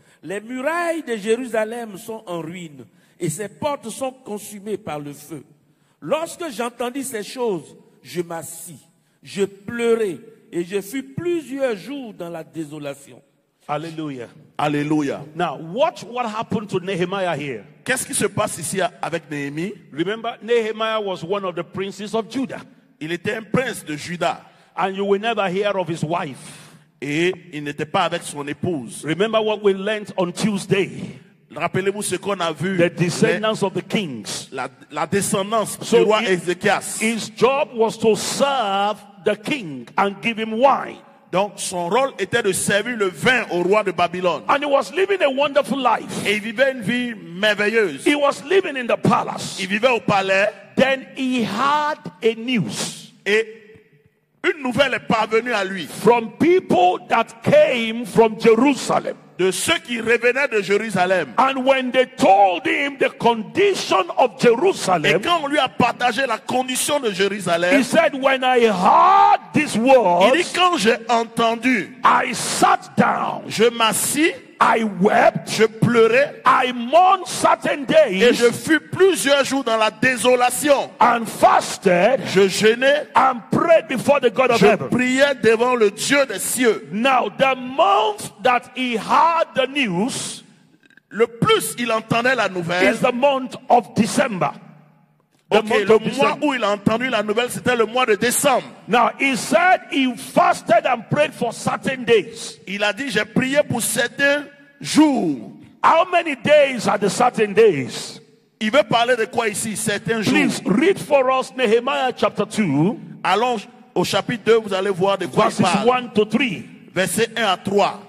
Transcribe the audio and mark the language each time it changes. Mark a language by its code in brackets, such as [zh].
[fr] Les murailles de Jérusalem sont en ruine et ses portes sont consumées par le feu. Lorsque j'entendis ces choses, je m'assis, je pleurai et je fus plusieurs jours dans la désolation. Alléluia. Alléluia. [en] Now, watch what happened to Nehemiah here. [fr] Qu'est-ce qui se passe ici avec Néhémie? [en] Remember, Nehemiah was one of the princes of Judah. [fr] Il était un prince de Juda. [en] And you will never hear of his wife. [fr] Et il n'était pas avec son épouse. [en] Remember what we learned on Tuesday. [fr] Rappelez-vous ce qu'on a vu. [en] The descendants of the kings. [fr] La descendance du roi Ézéchias. [en] His job was to serve the king and give him wine. [fr] Donc son rôle était de servir le vin au roi de Babylone. [en] And he was living a wonderful life. [fr] Et il vivait une vie merveilleuse. [en] He was living in the palace. [fr] Il vivait au palais. [en] Then he had a news. [fr] Et une nouvelle est parvenue à lui. [en] From people that came from Jerusalem. [fr] De ceux qui revenaient de Jérusalem. [en] And when they told him the condition of Jerusalem. [fr] Et quand on lui a partagé la condition de Jérusalem. [en] He said, when I heard this word. [fr] Il dit, quand j'ai entendu. [en] I sat down. [fr] Je m'assis. [en] I wept. [fr] Je pleurais. [en] I mourned certain days. [fr] Et je fus plusieurs jours dans la désolation. [en] And fasted. [fr] Je jeûnais. [en] And prayed before the God of heaven. [fr] Je priais devant le Dieu des cieux. [en] Now the month that he heard the news. [fr] Le plus il entendait la nouvelle. [en] Is the month of December. [fr] Okay, le mois où il a entendu la nouvelle, c'était le mois de décembre. [en] Now he said he fasted and prayed for certain days. [fr] Il a dit j'ai prié pour certains jours. [en] How many days are the certain days? [fr] Il veut parler de quoi ici, certains jours? [en] Please read for us Nehemiah chapter 2. [fr] Allons au chapitre 2, vous allez voir de quoi il parle. [en] Verses 1 to 3. [fr] Verset 1 à 3.